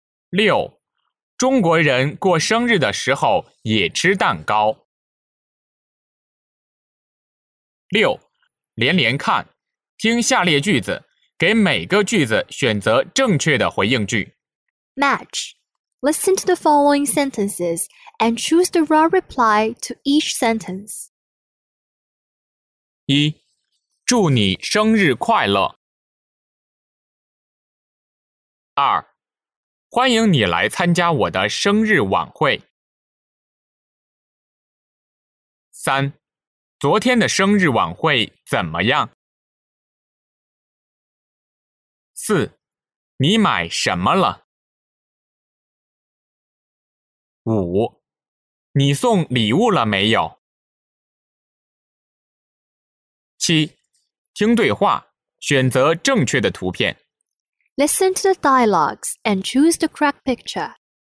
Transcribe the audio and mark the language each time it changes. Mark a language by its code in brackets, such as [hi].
[zh] 六，中国人过生日的时候也吃蛋糕。六，连连看，听下列句子，给每个句子选择正确的回应句。 [en] Match. Listen to the following sentences and choose the right reply to each sentence. [zh] 一，祝你生日快乐。二，欢迎你来参加我的生日晚会。三，昨天的生日晚会怎么样？四，你买什么了？五，你送礼物了没有？七，听对话，选择正确的图片。 [en] Listen to the dialogues and choose the correct picture.